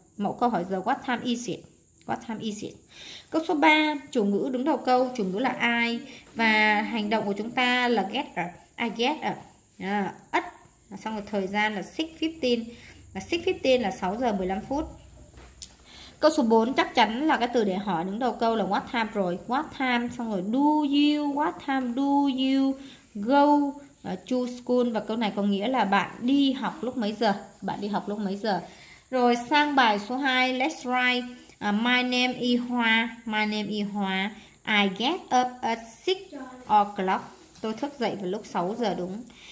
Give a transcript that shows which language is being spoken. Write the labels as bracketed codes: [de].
[vi] Mẫu câu hỏi giờ, [en] what time is it? What time is it? [vi] Câu số 3, chủ ngữ đứng đầu câu, chủ ngữ là ai. Và hành động của chúng ta là [en] get up. I get up. [vi] At, xong rồi thời gian là 6:15. Là 6:15 là 6:15. Câu số 4 chắc chắn là cái từ để hỏi đứng đầu câu là [en] what time [vi] rồi. [en] What time, [vi] xong rồi [en] do you, what time do you go to school. [vi] Và câu này có nghĩa là bạn đi học lúc mấy giờ. Bạn đi học lúc mấy giờ. Rồi sang bài số 2, [en] let's write. My name is Hoa. My name is Hoa. I get up at 6 o'clock. [vi] Tôi thức dậy vào lúc 6 giờ đúng.